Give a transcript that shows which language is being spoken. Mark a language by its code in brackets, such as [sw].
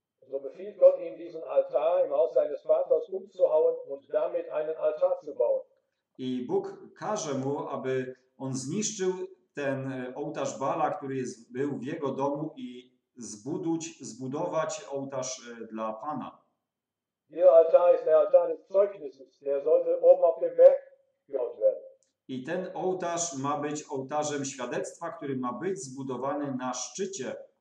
[de] So befiehlt Gott ihm diesen Altar im Haus seines Vaters umzuhauen und damit einen Altar zu bauen. [pl] I Bóg każe mu, aby on zniszczył ten ołtarz Bala, który jest, był w jego domu i zbudować ołtarz dla Pana. [de] Ihr Altar ist der Altar des Zeugnisses, der sollte oben auf dem Berg gebaut werden. [pl] I ten ołtarz ma być ołtarzem świadectwa, który ma być zbudowany na szczycie.